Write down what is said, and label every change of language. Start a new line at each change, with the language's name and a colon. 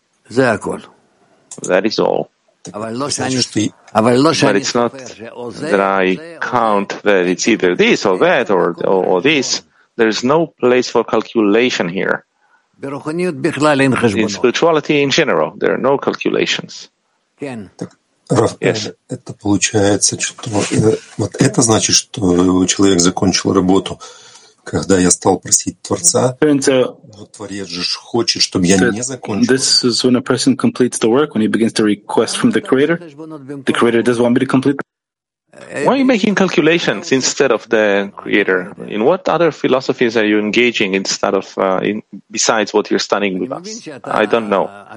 English: That is all. But it's not that I count that it's either this or that or this. There is no place for calculation here. In spirituality in general, there are no calculations. Yes.
Russian: Это получается, что вот это значит, что человек закончил работу. Когда я стал просить Творца, Творец же хочет, чтобы я не закончил.
English: This is when a person completes the work, when he begins to request from the Creator. The Creator does want me to complete. Why are you making calculations instead of the Creator? In what other philosophies are you engaging instead of besides what you're studying with us? I don't know.